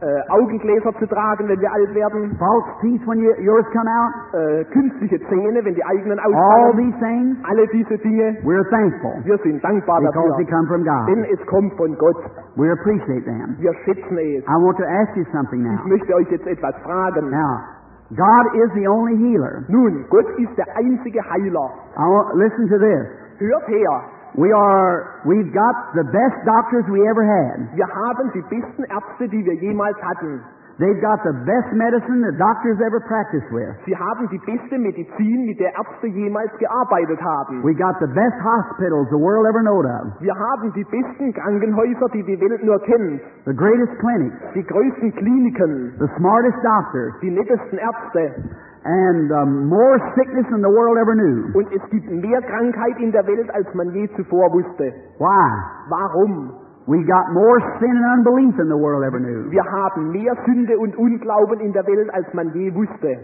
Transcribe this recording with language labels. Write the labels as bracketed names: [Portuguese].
[German] Augengläser zu tragen, wenn wir alt werden. [English] False teeth when yours come out. [German] Künstliche Zähne, wenn die eigenen ausfallen. [English] All these things. [German] Alle diese Dinge. [English] We're thankful. [German] Wir sind dankbar dafür. [English] Because they come from God. [German] Denn es kommt von Gott. [English] We appreciate them. [German] Wir schätzen es. [English] I want to ask you something now. [German] Ich möchte euch jetzt etwas fragen. [English] Now, God is the only healer. [German] Nun, Gott ist der einzige Heiler. [English] Listen to this. [German] Hört her. [English] We've got the best doctors we ever had. [German] Wir haben die besten Ärzte, die wir jemals hatten. [English] They've got the best medicine the doctors ever practiced with. [German] Sie haben die beste Medizin, mit der Ärzte jemals gearbeitet haben. [English] We got the best hospitals the world ever knew of. [German] Wir haben die besten Krankenhäuser, die Welt nur kennt. [English] The greatest clinics. [German] Die größten Kliniken. [English] The smartest doctors. [German] Die nettesten Ärzte. [English] And more sickness than the world ever knew. [German] Und es gibt mehr Krankheit in der Welt, als man je zuvor wusste. [English] Why? [German] Warum? [English] We got more sin and unbelief than the world ever knew. [German] Wir haben mehr Sünde und Unglauben in der Welt, als man je wusste.